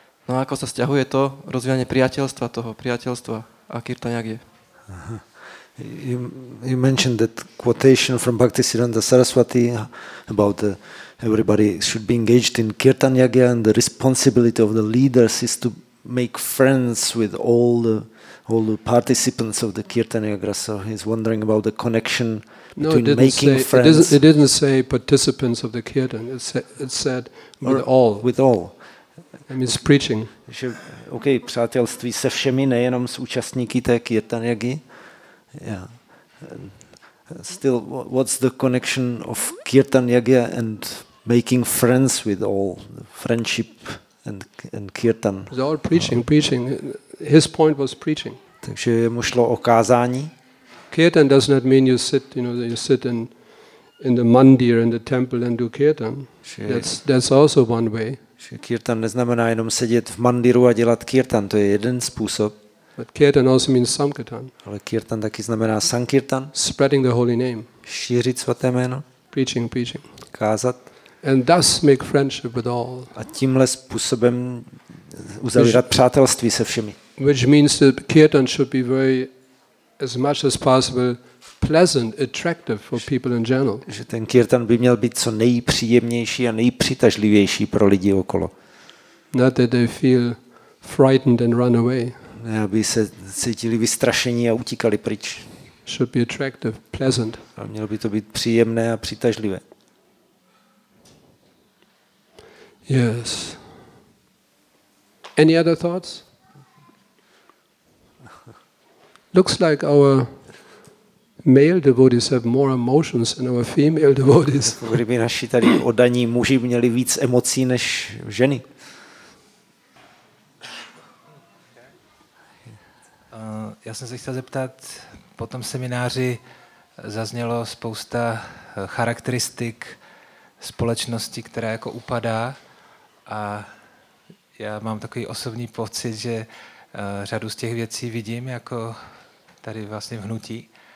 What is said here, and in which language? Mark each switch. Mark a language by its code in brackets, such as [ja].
[sk] No a ako sa sťahuje to rozvíjanie priateľstva toho, priateľstva a Kirtanyagi? [en] You mentioned that quotation from Bhaktisiddhanta Saraswati about everybody should be engaged in Kirtanyagi and the responsibility of the leaders is to make friends with all the participants of the Kirtanyagi. So he's wondering about the connection between making friends. No, it didn't say participants of the Kirtan, it said with all. I mean, it's preaching. [cs] Okay, přátelství se všemi, nejenom s účastníky té Kirtanyagi. [en] Yeah. Still, what's the connection of Kirtanyagi and making friends with all, friendship and Kirtan? It's all preaching. His point was preaching. [cs] Takže mu šlo o kázání. [en] Kirtan does not mean you sit in the mandir in the temple and do Kirtan. That's also one way. [cs] Kirtan neznamená jenom sedět v mandiru a dělat kirtan, to je jeden způsob. [en] But kirtan also means sankirtan. [cs] Ale kirtan taky znamená sankirtan. [en] Spreading the holy name. [cs] Šířit svaté jméno. [en] Preaching. [cs] Kázat. [en] And thus make friendship with all. [cs] A tímhle způsobem uzavírat přátelství se všemi. [en] Which means that kirtan should be very, as much as possible, pleasant, attractive for people in general. [cs] Že ten kirtan by měl být co nejpříjemnější a nejpřitažlivější pro lidi okolo. [en] Not that they feel frightened and run away. [cs] Ne, aby se cítili vystrašení a utíkali pryč. [en] Should be attractive, pleasant. [cs] A mělo by to být příjemné a přitažlivé. [en] Yes. Any other thoughts? Looks like our male devotees have more emotions than our female devotees. [cs] Kdyby naši tady oddaní muži měli víc emocí než ženy. Já jsem se chtěl zeptat, po tom semináři zaznělo spousta charakteristik společnosti, která jako upadá, a já mám takový osobní pocit, že řadu z těch věcí vidím jako tady vlastně v hnutí.